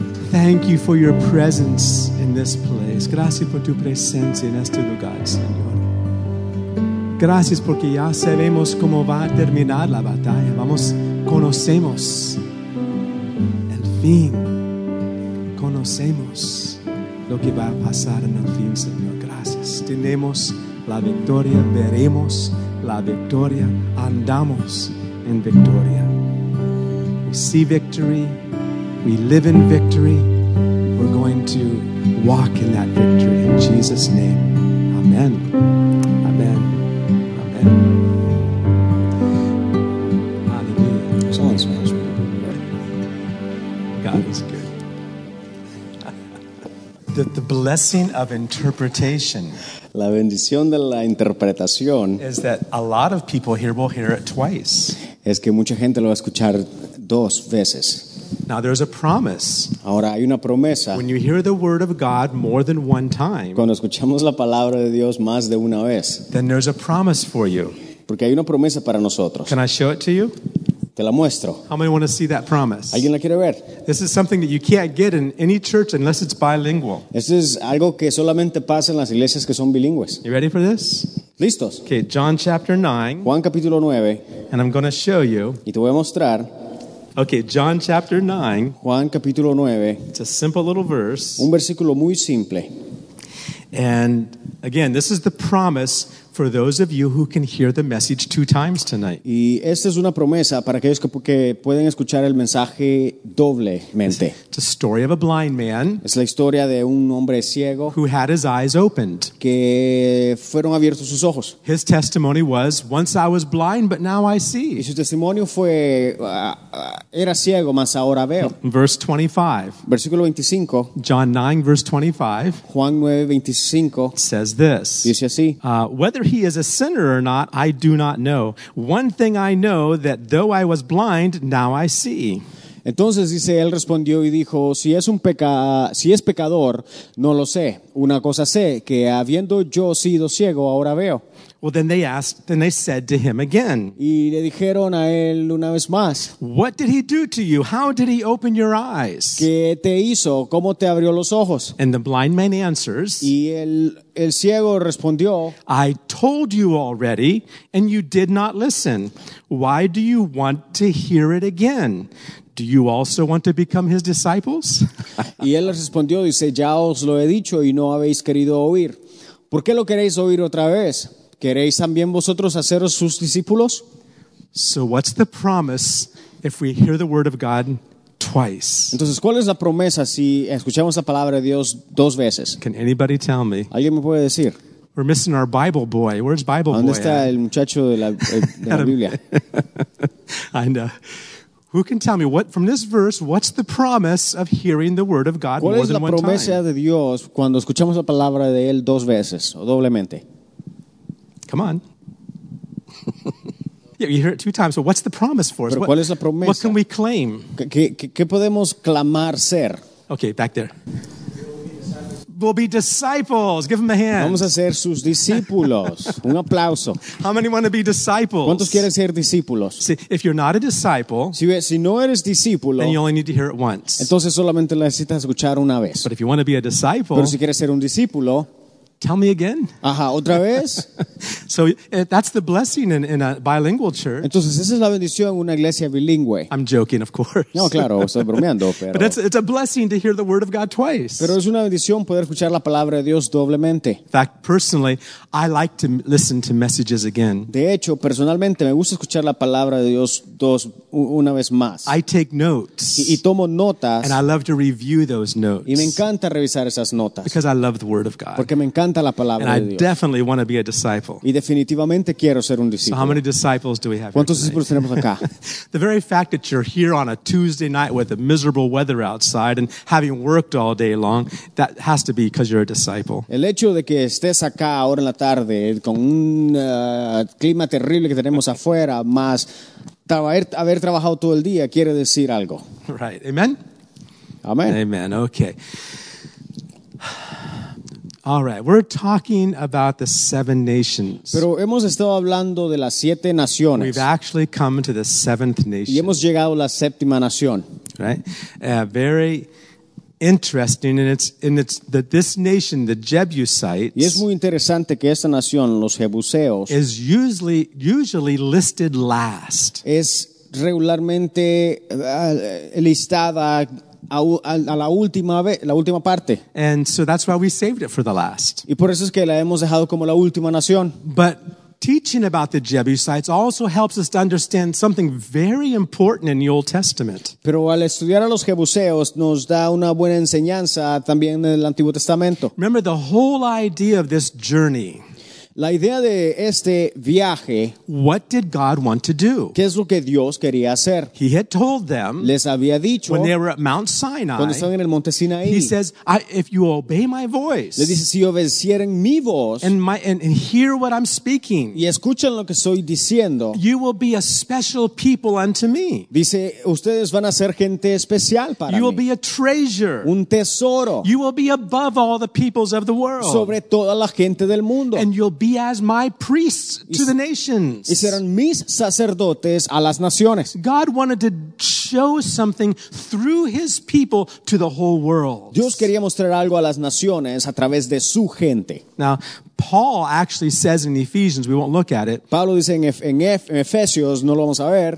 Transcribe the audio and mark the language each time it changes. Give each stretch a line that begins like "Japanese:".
English: Thank you for your presence in this place.
Spanish: Gracias por tu presencia en este lugar, Señor. Gracias porque ya sabemos cómo va a terminar la batalla. Vamos, conocemos el fin. Conocemos lo que va a pasar en el fin, Señor. Gracias. Tenemos la victoria. Veremos la victoria. Andamos en victoria.
English: We see victory. We live in victory. We're going to walk in that victory. In Jesus' name. Amen. Amen. Amen. Hallelujah. God is good. The blessing of interpretation.
Spanish: La bendición de la interpretación.
English: Is that a lot of people here will hear it twice.
Spanish: Es que mucha gente lo va a escuchar dos veces.
English: Now there's a promise.
Spanish: Ahora hay una promesa.
English: When you hear the word of God more than one time.
Spanish: Cuando escuchamos la palabra de Dios más de una vez.
English: Then there's a promise for you.
Spanish: Porque hay una promesa para nosotros.
English: Can I show it to you?
Spanish: Te la muestro.
English: How many want to see that promise?
Spanish: ¿Alguien la quiere ver?
English: This is something that you can't get in any church unless it's bilingual.
Spanish: Eso es algo que solamente pasa en las iglesias que son bilingües.
English: You ready for this?
Spanish: ¿Listos?
English: Okay, John chapter 9.
Spanish: Juan capítulo 9.
English: And I'm going to show you.
Spanish: Y te voy a mostrar.
English: Okay, John chapter 9.
Spanish: Juan capítulo 9.
English: It's a simple little verse.
Spanish: Un versículo muy simple.
English: And again, this is the promise for those of you who can hear the message two times tonight.
Spanish: Y esta es una promesa para aquellos que pueden escuchar el mensaje doblemente.
English: It's a story of a blind man.
Spanish: Es la historia de un hombre ciego
English: who had his eyes opened.
Spanish: Que fueron abiertos sus ojos.
English: His testimony was, "Once I was blind, but now I see."
Spanish: Y su testimonio fue era ciego, mas ahora veo.
English: Verse 25.
Spanish: Versículo 25.
English: John 9 verse 25.
Spanish: Juan 9:25
English: says this.
Spanish: Dice así.
English: Whether he is a sinner or not, I do not know. One thing I know, that though I was blind, now I see.
Spanish: Entonces dice, él respondió y dijo, si es pecador, no lo sé. Una cosa sé, que habiendo yo sido ciego, ahora veo.
English: Well, then they asked, and they said to him again.
Spanish: Y le dijeron a él una vez más.
English: What did he do to you? How did he open your eyes?
Spanish: ¿Qué te hizo? ¿Cómo te abrió los ojos?
English: And the blind man answers.
Spanish: Y el ciego respondió.
English: I told you already, and you did not listen. Why do you want to hear it again? Do you also want to become his disciples?
Spanish: Y él respondió, dice, ya os lo he dicho y no habéis querido oír. ¿Por qué lo queréis oír otra vez? ¿Queréis también vosotros haceros sus discípulos?
English: So what's the promise if we hear the word of God twice?
Spanish: Entonces, ¿cuál es la promesa si escuchamos la palabra de Dios dos veces?
English: Can anybody tell me?
Spanish: ¿Alguien me puede decir?
English: We're missing our Bible boy. Where's Bible boy?
Spanish: ¿Dónde está el muchacho de la Biblia?
English: I know. Who can tell me what from this verse? What's the promise of hearing the word of God more than one time?
Spanish: ¿Cuál es la promesa de Dios cuando escuchamos la palabra de él dos veces o doblemente?
English: Come on. Yeah, you hear it two times. So what's the promise for us?
Spanish: ¿Pero cuál es la promesa?
English: What can we claim?
Spanish: ¿Qué podemos clamar ser?
English: Okay, back there. We'll be disciples. Give him a hand.
Spanish: Vamos a ser sus discípulos. Un aplauso.
English: How many want to be disciples?
Spanish: ¿Cuántos quieren ser discípulos?
English: See, if you're not a disciple,
Spanish: si no eres discípulo,
English: then you only need to hear it once.
Spanish: Entonces solamente necesitas escuchar una vez.
English: But if you want to be a disciple,
Spanish: pero si quieres ser un discípulo,
English: tell me again.
Spanish: Ajá, otra vez.
English: So that's the blessing in a bilingual church.
Spanish: Entonces esa es la bendición en una iglesia bilingüe.
English: I'm joking, of course.
Spanish: No, claro, estoy bromeando, pero.
English: But it's a blessing to hear the word of God twice.
Spanish: Pero es una bendición poder escuchar la palabra de Dios doblemente.
English: In fact, personally, I like to listen to messages again.
Spanish: De hecho, personalmente me gusta escuchar la palabra de Dios una vez más.
English: I take notes.
Spanish: Y tomo notas.
English: And I love to review those notes.
Spanish: Y me encanta revisar esas notas.
English: Because I love the word of God.
Spanish: Porque me encanta.
English: And I definitely want to be a disciple.
Spanish: Y definitivamente quiero ser un discípulo.
English: So how many disciples do we have?
Spanish: ¿Cuántos discípulos tenemos acá?
English: The very fact that you're here on a Tuesday night with the miserable weather outside and having worked all day long, that has to be because you're a disciple.
Spanish: El hecho de que estés acá ahora en la tarde con un clima terrible que tenemos afuera, más haber trabajado todo el día, quiere decir algo.
English: Right. Amen. Amen. Amen. Okay. All right, we're talking about the seven nations.
Spanish: Pero hemos estado hablando de las siete naciones.
English: We've actually come to the seventh nation.
Spanish: Y hemos llegado a la séptima nación.
English: Right? Very interesting, and it's that this nation, the Jebusites,
Spanish: y es muy interesante que esta nación, los Jebuseos,
English: is usually listed last.
Spanish: Es regularmente listada a la última parte.
English: And so that's why we saved it for the last.
Spanish: Y por eso es que la hemos dejado como la última nación.
English: But teaching about the Jebusites also helps us to understand something very important in the Old Testament.
Spanish: Pero al estudiar a los Jebuseos nos da una buena enseñanza también en el Antiguo Testamento.
English: Remember the whole idea of this journey.
Spanish: La idea de este viaje,
English: what did God want to do?
Spanish: ¿Qué es lo que Dios quería hacer?
English: He had told them,
Spanish: les había dicho,
English: when they were at Mount Sinai,
Spanish: cuando estaban en el Monte Sinaí,
English: he says, if you obey my voice,
Spanish: les dice, si obedecieran mi voz,
English: and hear what I'm speaking,
Spanish: y escuchen lo que estoy diciendo,
English: you will be a special people unto me.
Spanish: Dice, ustedes van a ser gente especial para
English: you
Spanish: mí.
English: Will be a treasure.
Spanish: Un tesoro.
English: You will be above all the peoples of the world.
Spanish: Sobre toda la gente del mundo.
English: And you'll be as my priests to the nations.
Spanish: Y serán mis sacerdotes a las naciones.
English: God wanted to show something through his people to the whole world.
Spanish: Dios quería mostrar algo a las naciones a través de su gente.
English: Now, Paul actually says in Ephesians, we won't look at it.
Spanish: Pablo dice en Efesios, no lo vamos a ver.